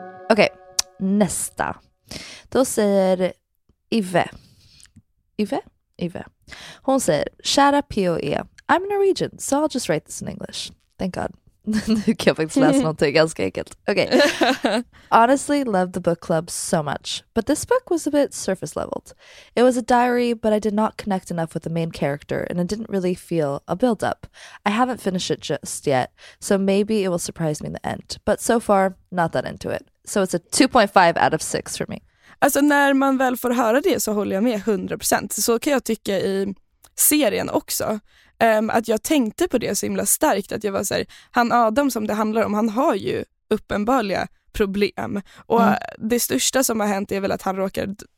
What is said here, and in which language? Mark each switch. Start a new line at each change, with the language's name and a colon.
Swedish: Okej, nästa. Då säger Ive. Hon säger, kära POE,
English: I'm Norwegian, so I'll just write this in English. Thank God.
Swedish: Nu kan jag faktiskt läsa någonting ganska enkelt.
English: Okay. Honestly, loved the book club so much, but this book was a bit surface leveled. It was a diary, but I did not connect enough with the main character, and it didn't really feel a build up. I haven't finished it just yet, so maybe it will surprise me in the end. But so far, not that into it. So it's a 2.5 out of 6 for me.
Swedish: Alltså när man väl får höra det så håller jag med 100%. Så kan jag tycka i serien också. Att jag tänkte på det så himla starkt, att jag var så här, han Adam som det handlar om, han har ju uppenbara problem, och det största som har hänt är väl att han råkar